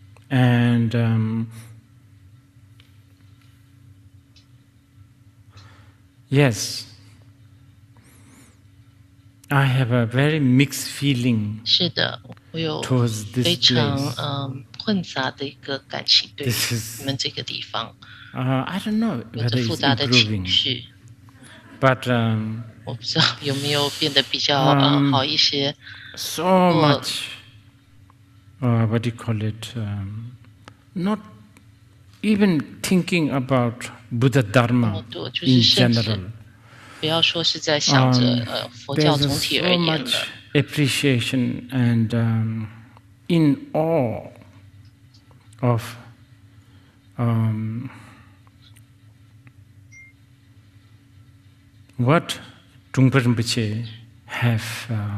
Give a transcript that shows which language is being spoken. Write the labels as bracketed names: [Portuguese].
[English] and Yes, I have a very mixed feeling [Chinese] 是的, [English] towards this [Chinese] 非常, [English] place. [Chinese] 混杂的一个感情对你们这个地方, [English] I don't know whether it's improving, but [Chinese] 我不知道有没有变得比较, [English] so much, what do you call it, not even thinking about Buddha Dharma [Chinese] 那么多, [English] in general. [Chinese] 不要说是在想着佛教总体而言了。 [English] So much appreciation and in awe of what Trungpa Rinpoche have